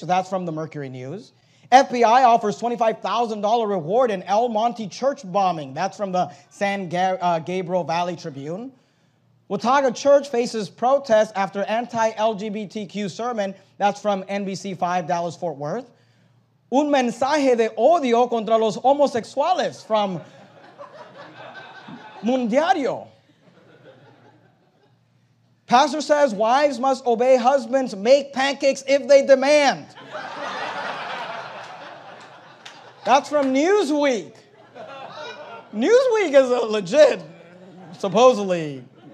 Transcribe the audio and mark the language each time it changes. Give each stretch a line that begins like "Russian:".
English: That's from the Mercury News. FBI offers $25,000 reward in El Monte church bombing. That's from the San Gabriel Valley Tribune. Watauga church faces protests after anti-LGBTQ sermon. That's from NBC5 Dallas-Fort Worth.
Spanish: Un mensaje de odio contra los homosexuales
English: from
Spanish: Mundiario.
English: Pastor says wives must obey husbands, make pancakes if they demand. That's from Newsweek. Newsweek is a legit, supposedly.